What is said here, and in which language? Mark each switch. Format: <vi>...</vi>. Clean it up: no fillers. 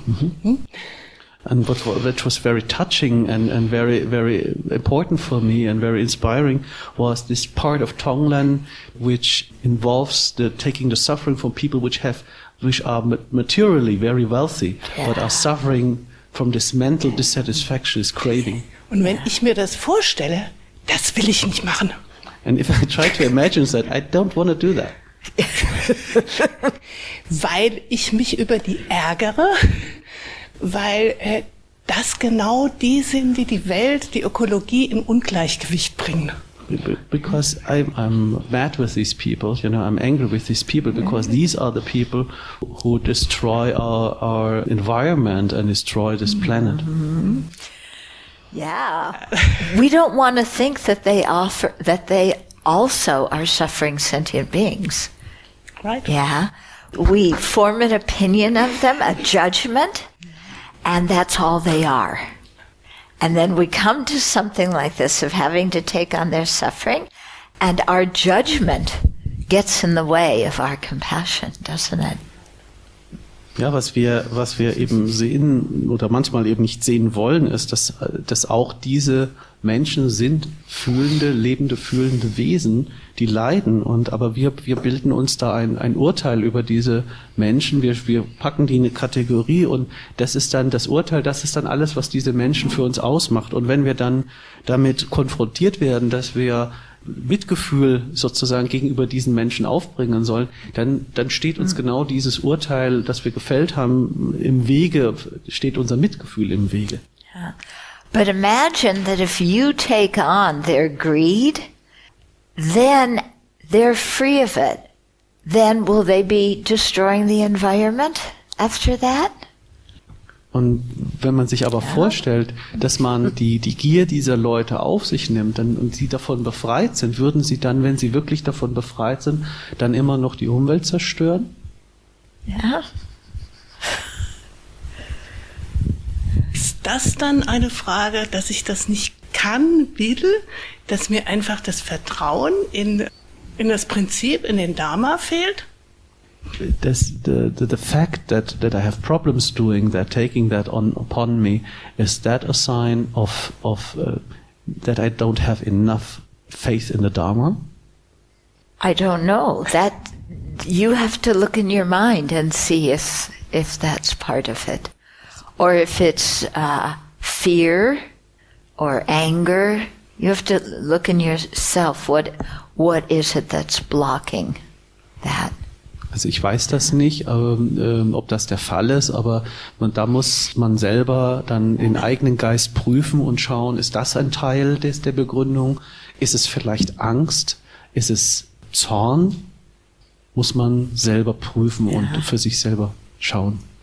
<en>Mm-hmm. And which was very touching and very, very important for me and very inspiring was this part of Tonglen, which involves the taking the suffering from people which are materially very wealthy, yeah, but are suffering from this mental dissatisfaction, this craving.</en> <de>Und wenn ich mir das vorstelle, das will ich nicht machen.</de> <en>And if I try to imagine that, I don't want to do that.</en> <de>Weil ich mich über die ärgere, weil das genau die sind, die die Welt, die Ökologie in Ungleichgewicht bringen.</de> <en>Because I'm mad with these people, you know, I'm angry with these people, because these are the people who destroy our environment and destroy this planet. Mm-hmm. Yeah, we don't want to think that they also are suffering sentient beings. Right. Yeah, we form an opinion of them, a judgment, and that's all they are. And then we come to something like this of having to take on their suffering, and our judgment gets in the way of our compassion, doesn't it?</en> <de>Ja, was wir eben sehen oder manchmal eben nicht sehen wollen, ist, dass auch diese Menschen sind fühlende Wesen, die leiden. Und aber wir bilden uns da ein Urteil über diese Menschen. Wir packen die in eine Kategorie und das ist dann das Urteil, das ist dann alles, was diese Menschen für uns ausmacht. Und wenn wir dann damit konfrontiert werden, dass wir Mitgefühl sozusagen gegenüber diesen Menschen aufbringen sollen, dann steht uns genau dieses Urteil, das wir gefällt haben, im Wege, steht unser Mitgefühl im Wege. Ja.</de> <en>But imagine that if you take on their greed, then they're free of it. Then will they be destroying the environment after that?</en> <de>Und wenn man sich aber vorstellt, dass man die Gier dieser Leute auf sich nimmt und sie davon befreit sind, würden sie dann, wenn sie wirklich davon befreit sind, dann immer noch die Umwelt zerstören? Ja. Ist das dann eine Frage, dass ich das nicht kann, will, dass mir einfach das Vertrauen in das Prinzip, in den Dharma fehlt?</de> <en>The fact that I have problems doing that, taking that on upon me, is that a sign of that I don't have enough faith in the Dharma? I don't know. That you have to look in your mind and see if that's part of it, or if it's fear or anger. You have to look in yourself. What is it that's blocking that?</en> <de>Also ich weiß das nicht, ob das der Fall ist, aber da muss man selber dann den eigenen Geist prüfen und schauen, ist das ein Teil der Begründung? Ist es vielleicht Angst? Ist es Zorn? Muss man selber prüfen und für sich selber schauen.</de>